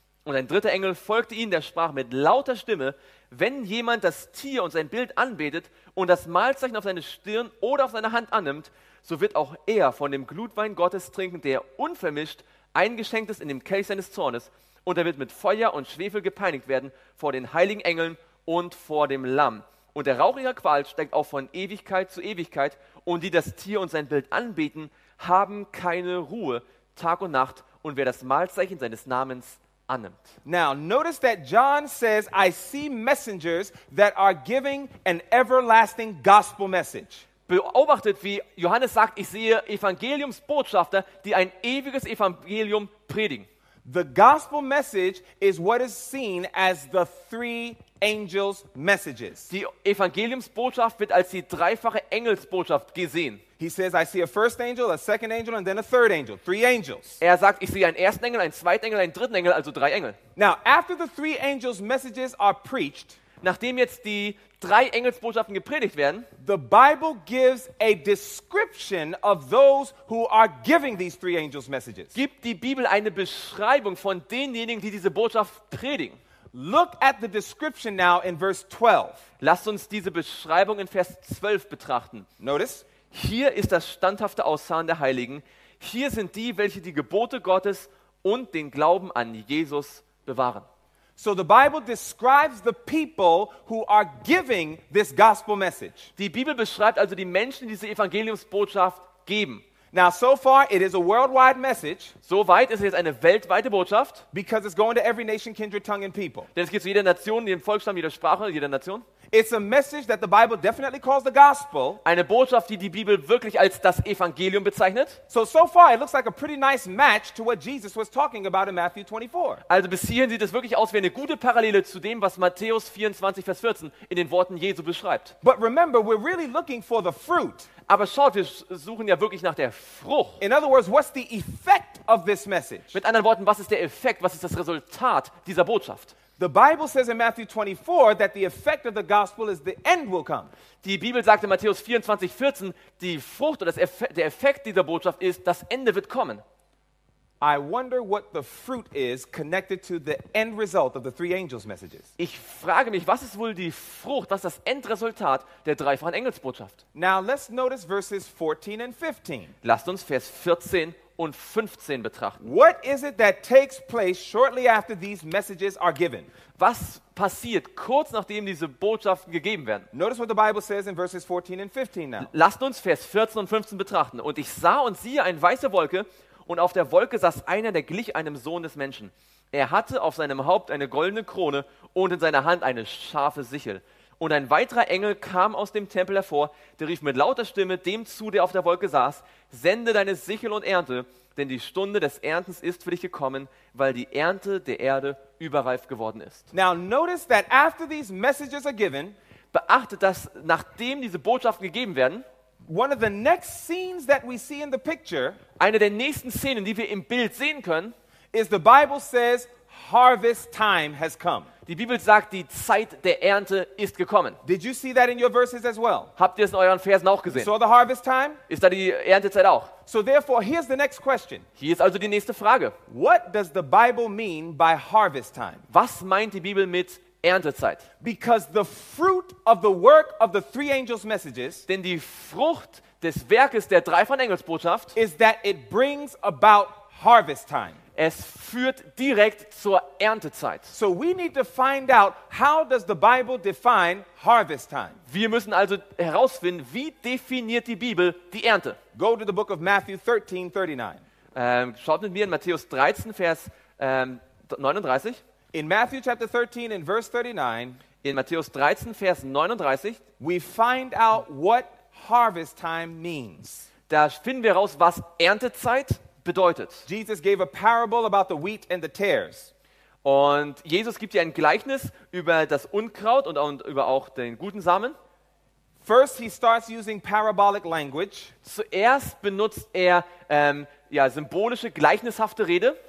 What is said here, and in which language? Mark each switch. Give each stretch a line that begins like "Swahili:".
German: Und ein dritter Engel folgte ihnen, der sprach mit lauter Stimme: Wenn jemand das Tier und sein Bild anbetet und das Malzeichen auf seine Stirn oder auf seine Hand annimmt, so wird auch er von dem Glutwein Gottes trinken, der unvermischt eingeschenkt ist in dem Kelch seines Zornes, und er wird mit Feuer und Schwefel gepeinigt werden vor den heiligen Engeln und vor dem Lamm. Und der Rauch ihrer Qual steigt auch von Ewigkeit zu Ewigkeit, und die das Tier und sein Bild anbeten, haben keine Ruhe Tag und Nacht, und wer das Malzeichen seines Namens annimmt.
English: Now notice that John says, I see messengers that are giving an everlasting gospel message.
German: Beobachtet, wie Johannes sagt, ich sehe Evangeliumsbotschafter, die ein ewiges Evangelium predigen.
English: The gospel message is what is seen as the three angels' messages.
German: Die Evangeliumsbotschaft wird als die dreifache Engelsbotschaft gesehen.
English: He says, I see a first angel, a second angel, and then a third angel. Three angels.
German: Er sagt, ich sehe einen ersten Engel, einen zweiten Engel, einen dritten Engel, also drei Engel.
English: Now, after the three angels' messages are preached,
German: nachdem jetzt die drei Engelsbotschaften gepredigt werden,
English: the Bible gives a description of those who are giving these three angels' messages.
German: Gibt die Bibel eine Beschreibung von denjenigen, die diese Botschaft predigen.
English: Look at the description now in verse 12.
German: Lasst uns diese Beschreibung in Vers 12 betrachten.
English: Notice.
German: Hier ist das standhafte Aussahen der Heiligen. Hier sind die, welche die Gebote Gottes und den Glauben an Jesus bewahren.
English: So the Bible describes the people who are giving this gospel message.
German: Die Bibel beschreibt also die Menschen, die diese Evangeliumsbotschaft geben.
English: Now so far it is a worldwide message.
German: So weit ist es jetzt eine weltweite Botschaft.
English: Because it's going to every nation, kindred, tongue and people.
German: Denn es geht zu jeder Nation, jedem Volksstamm, jeder Sprache, jeder Nation.
English: It's a message that the Bible definitely calls the gospel.
German: Eine Botschaft, die die Bibel wirklich als das Evangelium bezeichnet.
English: So far it looks like a pretty nice match to what Jesus was talking about in Matthew 24.
German: Also bis hierhin sieht es wirklich aus wie eine gute Parallele zu dem, was Matthäus 24 Vers 14 in den Worten Jesu beschreibt.
English: But remember, we're really looking for the fruit.
German: Aber schaut, wir suchen ja wirklich nach der Frucht.
English: In other words, what's the effect of this message?
German: Mit anderen Worten, was ist der Effekt, was ist das Resultat dieser Botschaft?
English: The Bible says in Matthew 24 that the effect of the gospel is the end will come.
German: Die Bibel sagt in Matthäus 24, 14, die Frucht oder der Effekt dieser Botschaft ist, das Ende wird kommen.
English: I wonder what the fruit is connected to the end result of the three angels' messages.
German: Ich frage mich, was ist wohl die Frucht, was ist das Endresultat der dreifachen Engelsbotschaft?
English: Now let's notice verses 14 and 15.
German: Lasst uns Vers 14 und 15 betrachten.
English: What is it that takes place shortly after these messages are given?
German: Was passiert kurz nachdem diese Botschaften gegeben werden?
English: Notice what the Bible says in verses 14 and 15 now.
German: Lasst uns Vers 14 und 15 betrachten. Und ich sah und siehe eine weiße Wolke. Und auf der Wolke saß einer, der glich einem Sohn des Menschen. Er hatte auf seinem Haupt eine goldene Krone und in seiner Hand eine scharfe Sichel. Und ein weiterer Engel kam aus dem Tempel hervor, der rief mit lauter Stimme dem zu, der auf der Wolke saß, sende deine Sichel und ernte, denn die Stunde des Erntens ist für dich gekommen, weil die Ernte der Erde überreif geworden ist.
English: Now notice that after these messages are given,
German: beachtet, dass nachdem diese Botschaften gegeben werden,
English: one of the next scenes that we see in the picture,
German: eine der nächsten Szenen, die wir im Bild sehen können,
English: is the Bible says harvest time has come.
German: Die Bibel sagt, die Zeit der Ernte ist gekommen.
English: Did you see that in your verses as well?
German: Habt ihr es in euren Versen auch gesehen?
English: So the harvest time?
German: Ist da die Erntezeit auch?
English: So therefore, here's the next question.
German: Hier ist also die nächste Frage.
English: What does the Bible mean by harvest time?
German: Was meint die Bibel mit Erntezeit?
English: Because the fruit of the work of the three angels' messages,
German: denn die Frucht des Werkes der dreifachen Engelsbotschaft,
English: is that it brings about harvest time.
German: Es führt direkt zur Erntezeit.
English: So we need to find out, how does the Bible define harvest time?
German: Wir müssen also herausfinden, wie definiert die Bibel die Ernte?
English: Go to the book of Matthew 13, 39.
German: Schaut mit mir in Matthäus 13, Vers 39.
English: In Matthew chapter 13 and verse 39,
German: in Matthäus 13 Vers 39,
English: we find out what harvest time means.
German: Da finden wir raus, was Erntezeit bedeutet.
English: Jesus gave a parable about the wheat and the tares.
German: Und Jesus gibt hier ein Gleichnis über das Unkraut und über auch den guten Samen.
English: First he starts using parabolic language.
German: Zuerst benutzt er symbolische, gleichnishafte Rede.